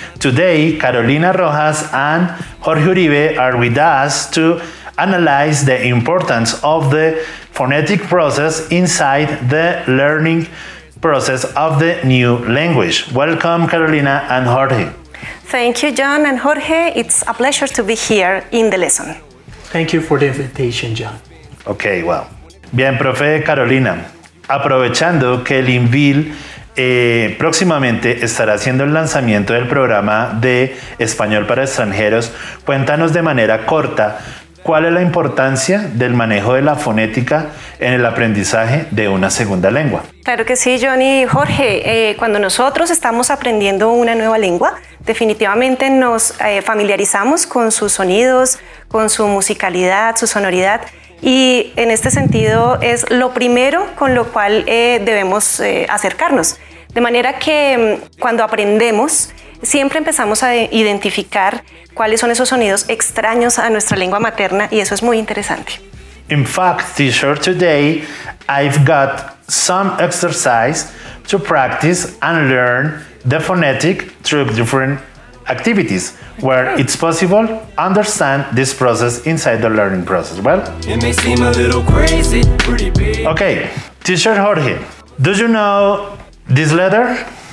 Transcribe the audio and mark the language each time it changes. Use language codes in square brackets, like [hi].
[en] Today, Carolina Rojas and Jorge Uribe are with us to analyze the importance of the phonetic process inside the learning process of the new language. Welcome, Carolina and Jorge. Thank you, John and Jorge. It's a pleasure to be here in the lesson. Thank you for the invitation, John. Okay, well. [es] Bien, profe Carolina. Aprovechando que Linvil próximamente estará haciendo el lanzamiento del programa de Español para Extranjeros, cuéntanos de manera corta cuál es la importancia del manejo de la fonética en el aprendizaje de una segunda lengua. Claro que sí, Johnny. Jorge, cuando nosotros estamos aprendiendo una nueva lengua, definitivamente nos familiarizamos con sus sonidos, con su musicalidad, su sonoridad. Y en este sentido es lo primero con lo cual debemos acercarnos. De manera que cuando aprendemos, siempre empezamos a identificar cuáles son esos sonidos extraños a nuestra lengua materna, y eso es muy interesante. [en] In fact, teacher, today I've got some exercise to practice and learn the phonetic through different activities where it's possible understand this process inside the learning process. Well, it may seem a little crazy, pretty big. Okay, teacher Jorge, do you know this letter?